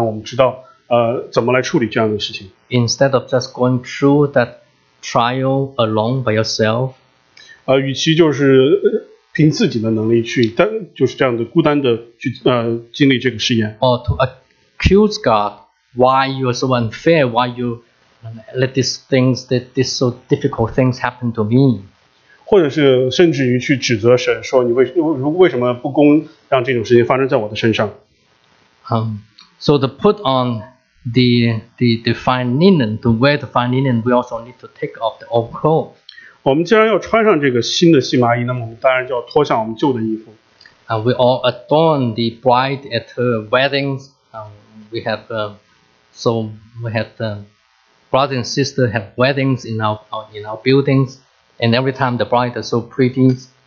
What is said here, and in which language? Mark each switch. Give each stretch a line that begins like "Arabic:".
Chinese: 所以当我们在经历试验的时候呢，我们要向神祈求智慧，让我们知道怎么来处理这样的事情。
English: Instead of just going through that trial alone by yourself,
Chinese: 与其就是凭自己的能力去，就是这样的孤单的去经历这个试验。
English: Or to accuse God, why you are so unfair, why you let these things, these so difficult things happen to me.
Chinese: 或者是甚至于去指责神，说你为什么不公，让这种事情发生在我的身上。
English: So to put on the fine linen, to wear the fine linen, we also need to take off the old clothes.
Chinese: 我们既然要穿上这个新的细麻衣，那么我们当然就要脱下我们旧的衣服。
English: We all adorn the bride at her weddings. We have brothers and sisters have weddings in our buildings. And every time the bride is so pretty.